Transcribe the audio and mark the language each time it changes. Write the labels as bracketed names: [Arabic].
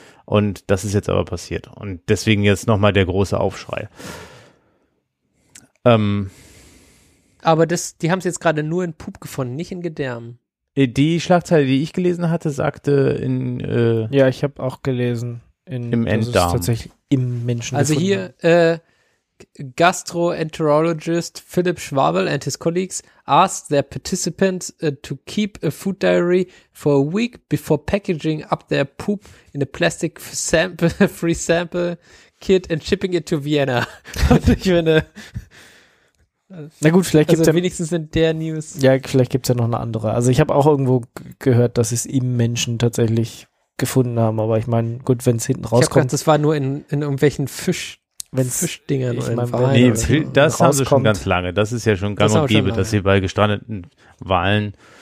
[German] Und das ist jetzt aber passiert. Und deswegen jetzt nochmal der große Aufschrei. Aber die haben es jetzt gerade nur in Pup gefunden, nicht in Gedärmen. Die Schlagzeile, die ich gelesen hatte, sagte in ja, ich habe auch gelesen. Im Enddarm. Tatsächlich im Menschen. [English] Also hier, Gastroenterologist Philipp Schwabel and his colleagues asked their participants to keep a food diary for a week before packaging up their poop in a plastic free sample kit and shipping it to Vienna. [German] Na gut, vielleicht gibt es also ja wenigstens in der News. Ja, vielleicht gibt es ja noch eine andere. Also ich habe auch irgendwo gehört, dass es im Menschen tatsächlich gefunden haben, aber ich meine, gut, wenn es hinten rauskommt. Ich habe gedacht, das war nur in irgendwelchen Fischdingern. Das haben sie schon ganz lange. Das ist ja schon gang und gäbe, dass sie bei gestrandeten Walen